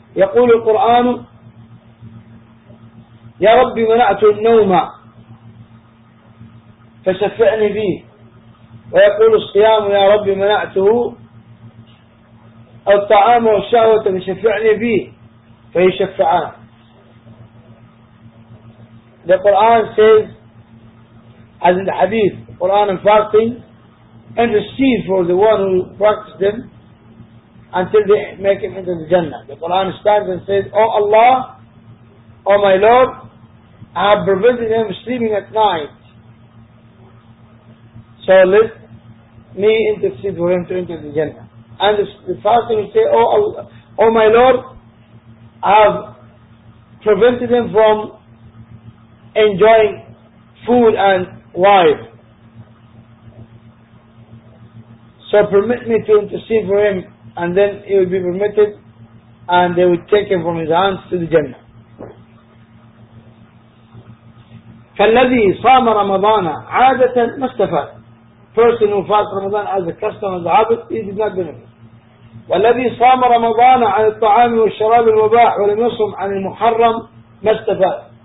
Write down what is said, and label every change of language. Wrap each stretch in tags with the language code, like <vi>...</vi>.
<ar>يقول القرآن يا ربي منعت النوم فشفعني به، ويقول الصيام يا ربي منعته الطعام والشهوة فشفعني به فيشفعان.</ar> <en>The Quran says, as in the Hadith, Quran and fasting intercede for the one who practices them until they make him into the Jannah. The Quran stands and says, O Allah, O my Lord, I have prevented him sleeping at night, so let me intercede for him to enter the Jannah. And the fasting will say, O my Lord, I have prevented him from enjoying food and wine, so permit me to intercede for him, and then he will be permitted, and they will take him from his hands to the Jannah.</en> <ar>فالذي صام رمضان عادة ما استفاد،</ar> <en>person who fasts Ramadan as a custom and a habit, he did not benefit.</en> <ar>والذي صام رمضان عن الطعام والشراب المباح ولم يصم عن المحرم ما استفاد.</ar>